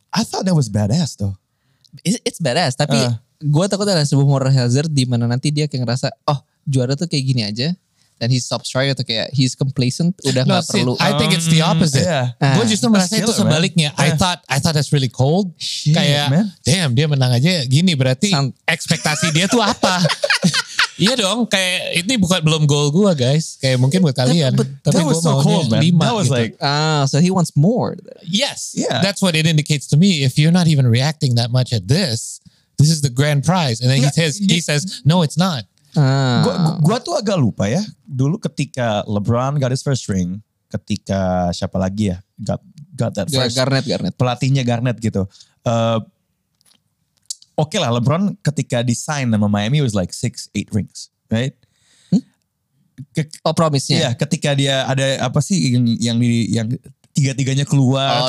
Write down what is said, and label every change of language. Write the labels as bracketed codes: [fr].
[en] I thought that was badass though. It's badass, [id] tapi. Gue takut ada sebuah moral hazard di mana nanti dia kayak ngerasa oh juara tuh kayak gini aja dan [en] he stops trying [id] atau kayak [en] he's complacent [id] udah nggak perlu. [en] I think it's the opposite. [id] Gue justru merasa killer, itu sebaliknya. [en] I thought that's really cold. Shit, kayak man. [id] Damn dia menang aja gini berarti ekspektasi dia tuh apa? Iya dong kayak ini bukan belum goal gue guys kayak mungkin buat kalian tapi gue [en] so cold, man. [id] 5 [en] that was [id] gitu. [en] Like so he wants more. Yes, yeah. That's what it indicates to me. If you're not even reacting that much at this. This is the grand prize. And then he says, no, it's not. [id] Gua tuh agak lupa ya. Dulu ketika [en] LeBron got his first ring. [id] Ketika siapa lagi ya? [en] Got that first. [id] Garnett. Pelatihnya Garnett gitu. Okay lah LeBron ketika disign sama Miami [en] was like 6-8 rings. Right? [id] Promise-nya. Iya, ketika dia ada apa sih yang tiga-tiganya keluar.